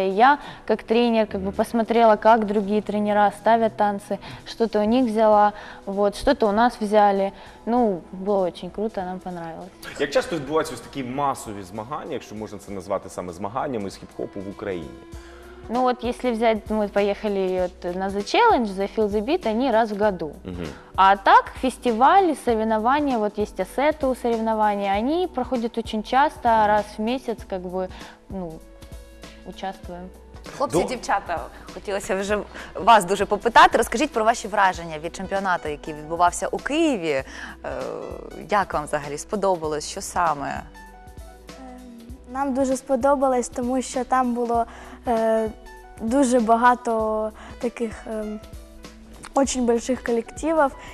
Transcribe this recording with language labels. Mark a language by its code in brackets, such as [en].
[uk] І я, як тренер, [ru] как бы, посмотрела, [uk] як інші тренера ставлять танці, що-то у них взяла, вот, що-то у нас взяли. Ну, було дуже круто, [ru] нам понравилось. [uk] Як часто відбуваються ось такі масові змагання, якщо можна це назвати саме змаганнями з хіп-хопу в Україні? [ru] Ну вот если взять, мы поехали вот, на The Challenge, за Feel the Beat, они раз в году. А так фестивали, соревнования, вот есть ассеты у соревнований, они проходят очень часто, раз в месяц как бы, ну, участвуем. [uk] Хлопці, дівчата, хотілося вже вас дуже попитати. Розкажіть про ваші враження від чемпіонату, який відбувався у Києві. Як вам взагалі сподобалось, що саме? Нам дуже сподобалось, тому що там було дуже багато таких дуже великих колективів.